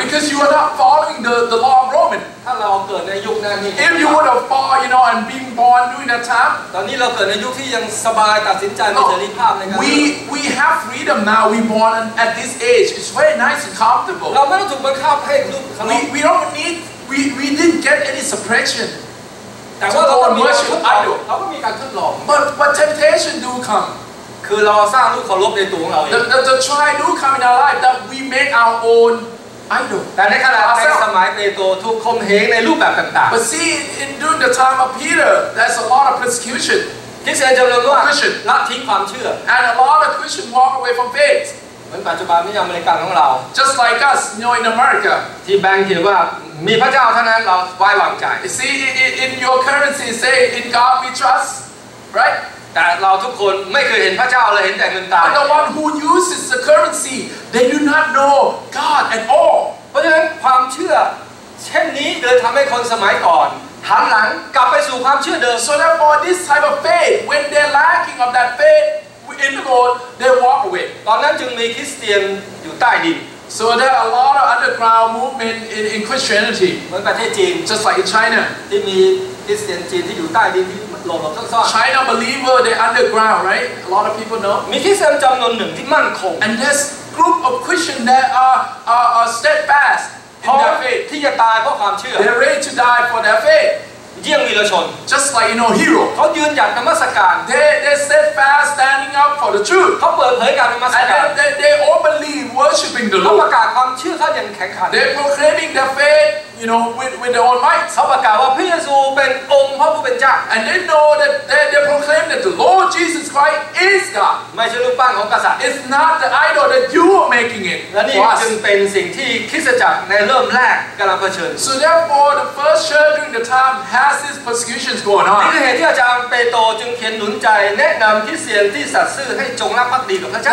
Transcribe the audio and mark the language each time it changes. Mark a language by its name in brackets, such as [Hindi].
[English] Because you are not following the law of Roman [Thai] ถ้าเราเกิดในยุคนั้นนี่ [English] If you would have fought you know and been born during that time [Thai] ตอนนี้เราเกิดในยุคที่ยังสบายตัดสินใจมีเสรีภาพในการ [English] We have freedom now we born at this age it's very nice and comfortable [Thai] เราไม่ต้องถูกบังคับให้ลูก ครับ [English] We don't needWe didn't get any suppression. [Thai] แต่ว่าเราต้องมีการทดลองเราก็มีการทดลอง [English] But temptation do come. [Thai] คือเราสร้างลูกเคารพในตัวของเราเอง [English] The trial do come in our life that we make our own idol. [Thai] แต่ในขณะในสมัยเปโตรถูกข่มเหงในรูปแบบต่างๆ [English] But see in during the time of Peter, there's a lot of persecution. [Thai] คริสเตียนจำนวนมาก ละทิ้งความเชื่อ [English] And a lot of Christians walk away from faith. [Thai] เหมือนปัจจุบันนี้อเมริกันของเรา [English] just like us you know in America [Thai] ที่แบงก์เขียนว่ามีพระเจ้าเท่านั้นเราไว้วางใจ [English] see in your currency say in God we trust right [Thai] แต่เราทุกคนไม่เคยเห็นพระเจ้าเลยเห็นแต่เงินตรา [English] the one who uses the currency they do not know God at all [Thai] เพราะฉะนั้นความเชื่อเช่นนี้เลยทำให้คนสมัยก่อนหันหลังกลับไปสู่ความเชื่อเดิม [English] so therefore this type of faith when they're lacking of that faithin the world they walk away [Thai] ตอนนั้นจึงมีคริสเตียนอยู่ใต้ดิน [English] so there are a lot of underground movement in Christianity [Thai] เหมือนประเทศจีน [English] just like in China [Thai] ที่มีคริสเตียนจีนที่อยู่ใต้ดินที่หลบซ่อนๆ [English] China believer they underground right a lot of people know [Thai] มีคริสเตียนจำนวนหนึ่งที่มั่นคง [English] and there's group of Christian that are steadfast in their faith [Thai] ที่จะตายเพราะความเชื่อ [English] they're ready to die for their faith [Thai] เยี่ยมวีรชน [English] just like you know hero [Thai] เขายืนหยัดนมัสการ [English] they steadfast standing up for the truth [Thai] เขาเปิดเผยการนมัสการ [English] and they openly worshiping the Lord [Thai] เขาประกาศความเชื่อเขาอย่างแข็งขัน [English] they proclaiming their faith you know with their own might [Thai] เขาประกาศว่าพระเยซูเป็นองค์พระผู้เป็นเจ้า [English] and they know that they proclaim that the Lord Jesus Christ is God [Thai] ไม่ใช่รูปปั้นของกษัตริย์ [English] it's not the idol that you are making it [Thai] และนี่จึงเป็นสิ่งที่คริสตจักรในเริ่มแรกกำลังเผชิญ [English] so therefore the first church during the time hasThis is persecution going on. [Thai] นี่คือเหตุที่อาจารย์เปโตรจึงเขียนหนุนใจแนะนำคริสเตียนที่สัตย์ซื่อให้จงรักภักดีกับพระเจ้า